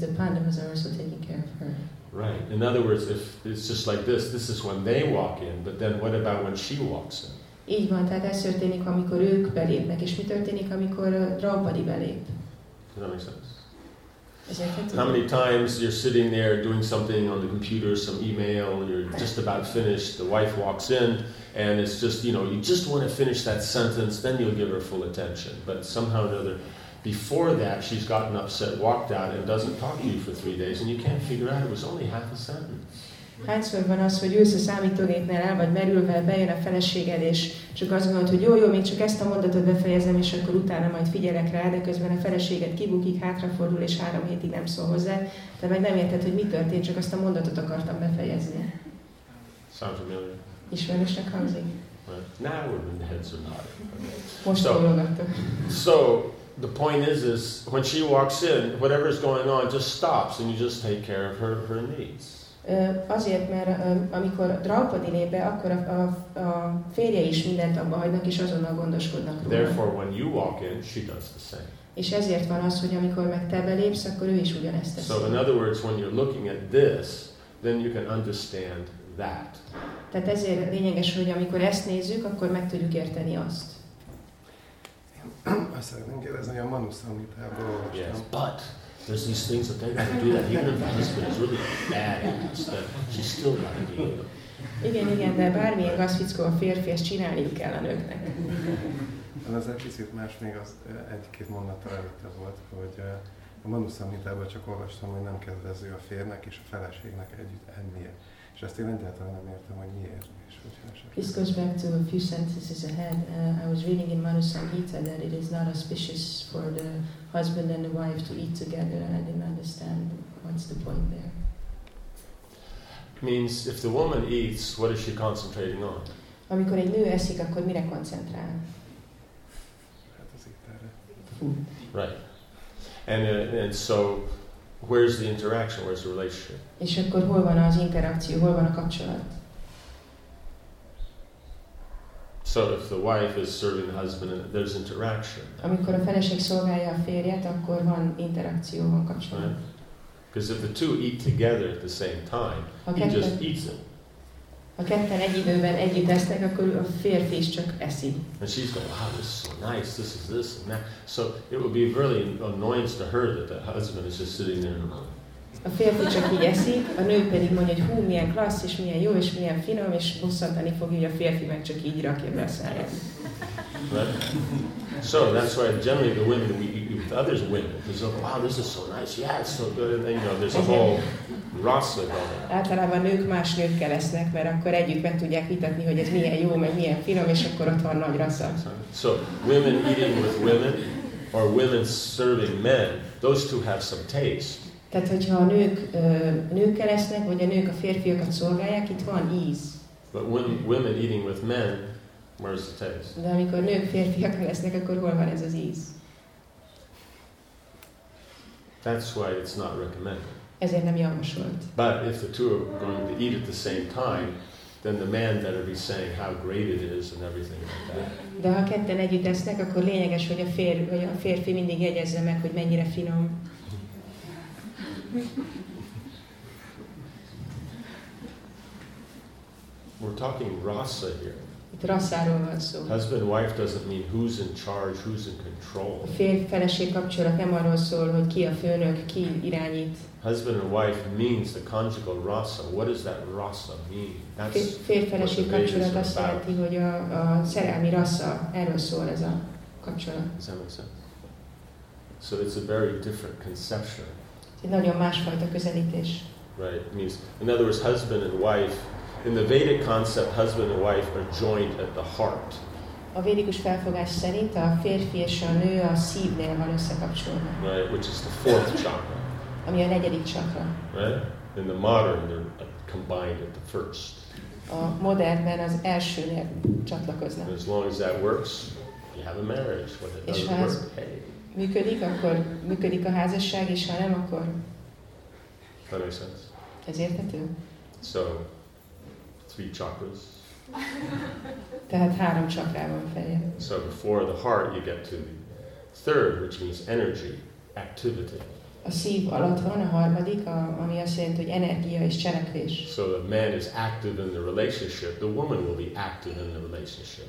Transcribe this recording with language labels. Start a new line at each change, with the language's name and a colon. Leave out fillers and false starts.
English: the pandemas are also taking care of her. Right. In other words, if it's just like this, this is when they walk in, but then what about when she walks in?
Hungarian: Így van, tehát ez történik, amikor ők belépnek, és mi történik, amikor Draupadi belép?
English: Does that make sense?
Hungarian: Ezért,
English: how many times you're sitting there doing something on the computer, some email, you're just about finished, the wife walks in, and it's just, you know, you just want to finish that sentence, then you'll give her full attention. But somehow or another, before that, she's gotten upset, walked out, and doesn't talk to you for 3 days, and you can't figure out it was only half a sentence.
Hungarian: Hányszor van az, hogy ülsz a számítógépnél el, vagy merülve, bejön a feleséged, és csak azt gondolod, hogy jó, még csak ezt a mondatot befejezem, és akkor utána majd figyelek rá, de közben a feleséged kibukik, hátrafordul, és három hétig nem szól hozzá. Te meg nem érted, hogy mi történt, csak azt a mondatot akartam befejezni. Ismerősnek hangzik.
English: Now we're in the heads of not.
Hungarian: Most hallogattak.
English: So, the point is when she walks in, whatever is going on just stops, and you just take care of her needs.
Hungarian: Azért, mert amikor Draupadi lép be, akkor a férje is mindent abba hagynak, és azonnal gondoskodnak róla.
English: Therefore, when you walk in, she does the same.
Hungarian: És ezért van az, hogy amikor meg te belépsz, akkor ő is ugyanezt teszi.
English: So, in other words, when you're looking at this, then you can understand that.
Hungarian: Tehát ezért lényeges, hogy amikor ezt nézzük, akkor meg tudjuk érteni azt. Azt szeretném kérdezni, hogy a manuszamitából olvastam.
English: Yes, but there's these things that they're going to do that even if the husband is really bad, she's still got to be able.
Hungarian: Igen, igen, de bármilyen gazfickó a férfi, ezt csinálni kell a nőknek. Az egy kicsit más, még az egy-két mondattal előtte volt, hogy a manuszamitából csak olvastam, hogy nem kedvező a férnek és a feleségnek együtt ennie. És ezt én egyáltalán nem értem, hogy miért.
English: This goes back to a few sentences ahead. I was reading in Manusamhita that it is not auspicious for the husband and the wife to eat together, and I didn't understand what's the point there. Means if the woman eats, what is she concentrating on?
Hungarian: Amikor egy nő eszik, akkor mire koncentrál? Hát az ételre.
English: Right. And so where's the interaction? Where's the relationship?
Hungarian: És akkor hol van az interakció? Hol van a kapcsolat?
English: So if the wife is serving the husband, there's interaction.
Hungarian: Amikor a feleség szolgálja a férjet, akkor van interakció, van kapcsolat.
English: Because if the two eat together at the same time, he just eats them.
Hungarian: Ha ketten egy időben együtt esznek, akkor a férfi is csak eszi.
English: And she's going, wow, this is so nice, this is this and that. So it would be really annoyance to her that the husband is just sitting there and going.
Hungarian: A férfi csak így eszik, a nő pedig mondja, hogy hú, milyen klassz, és milyen jó, és milyen finom, és bosszantani fogja, hogy a férfi meg csak így rakja be a száját.
English: So that's why generally the women we eat with others women, because they're like, wow, this is so nice, yeah, it's so good, and you know, there's a whole rasa going on.
Hungarian: Általában nők más nőkkel esznek, mert akkor együtt meg tudják vitatni, hogy ez milyen jó, meg milyen finom, és akkor ott van nagy rasa.
English: So women eating with women, or women serving men, those two have some taste.
Hungarian: Tehát, hogyha a nőkkel esznek, vagy a nők a férfiakat szolgálják, itt van íz.
English: But women eating with men, where's the taste?
Hungarian: De amikor nők férfiakkal esznek, akkor hol van ez az íz?
English: That's why it's not recommended.
Hungarian: Ezért nem javasolt.
English: But if the two are going to eat at the same time, then the man better be saying how great it is and everything like that.
Hungarian: De ha ketten együtt esznek, akkor lényeges, hogy a férfi mindig jegyezze meg, hogy mennyire finom.
English: We're talking rasa here.
Hungarian: Itt rasszáról van szó.
English: Husband wife doesn't mean who's in charge, who's in control.
Hungarian: A férj-feleség kapcsolat nem arról szól, hogy ki a főnök, ki irányít.
English: Husband and wife means the conjugal rasa. What does that rasa mean?
Hungarian: Férj-feleség kapcsolat azt jelenti, hogy a szerelmi rasa, erről szól ez a kapcsolat.
English: Does that make sense? So it's a very different conception.
Hungarian: Egy nagyon másfajta közelítés.
English: Right. Means, in other words, husband and wife, in the Vedic concept, husband and wife are joined at the heart.
Hungarian: A védikus felfogás szerint a férfi és a nő a szívnél van összekapcsolva.
English: Right, which is the fourth chakra.
Hungarian: Ami a negyedik chakra.
English: Right? In the modern, they're combined at the first.
Hungarian: A modernben az elsőnél csatlakoznak.
English: As long as that works, you have a marriage. When it doesn't work, hey.
Hungarian: Működik, akkor működik a házasság, és ha nem, akkor...
English: That makes sense.
Hungarian: Ez érthető?
English: So, three chakras.
Hungarian: Tehát három csakrában fejjel.
English: So before the heart, you get to the third, which means energy, activity.
Hungarian: A szív alatt van a harmadik, ami azt jelenti, hogy energia és cselekvés.
English: So the man is active in the relationship, the woman will be active in the relationship.